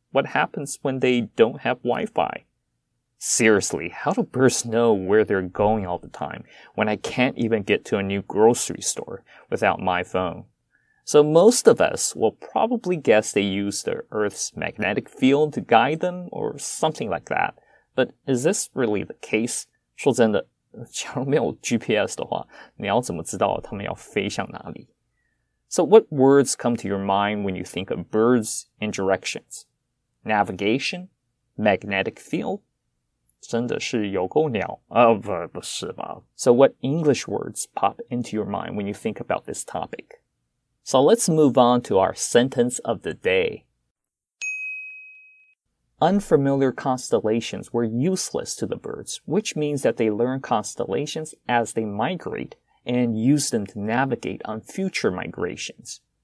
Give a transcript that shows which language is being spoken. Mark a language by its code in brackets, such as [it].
[en] What happens when they don't have Wi-Fi? Seriously, how do birds know where they're going all the time when I can't even get to a new grocery store without my phone? So most of us will probably guess they use the Earth's magnetic field to guide them or something like that. But is this really the case? [zh] 说真的, 假如没有GPS的话, 你要怎么知道他们要飞向哪里? [en] So what words come to your mind when you think of birds and directions? Navigation? Magnetic field? [zh] 真的是有够鸟啊，不是吧? [en] So what English words pop into your mind when you think about this topic? So let's move on to our sentence of the day. Unfamiliar constellations were useless to the birds, which means that they learn constellations as they migrate and use them to navigate on future migrations.